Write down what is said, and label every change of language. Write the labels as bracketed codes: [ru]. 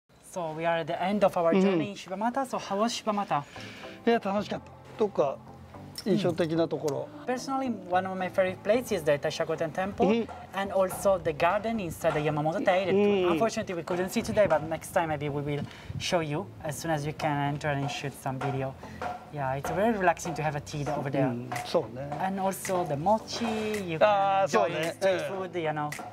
[en] So we are at the end of our journey in Shibamata. So how was Shibamata? [ja] いや楽しかった。どっか印象的なところ。 [en] Personally, one of my favorite places is the Taishakuten Temple and also the garden inside the Yamamoto Dairy. Unfortunately, we couldn't see today, but next time maybe we will show you as soon as you can enter and shoot some video. Yeah, it's very relaxing to have a tea over there. [ja] そうね。 [en] And also the mochi, you can enjoy street food, you know.